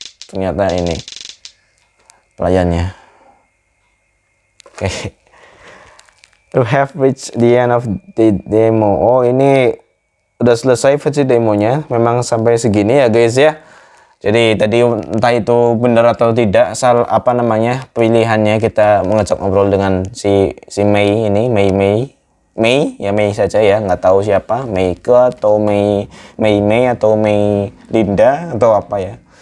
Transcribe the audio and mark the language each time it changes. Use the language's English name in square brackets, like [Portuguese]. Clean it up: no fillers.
[Indonesian] Ternyata ini pelayannya. Oke. Okay. [English] To have reached the end of the demo. [Indonesian] Oh, ini udah selesai versi demonya. Memang sampai segini ya, guys ya. Jadi tadi entah itu benar atau tidak, asal apa namanya pilihannya, kita mengajak ngobrol dengan si Mei ini, Mei Mei, ya Mei saja ya, nggak tahu siapa, Meike atau Mei atau Mei Linda atau apa ya.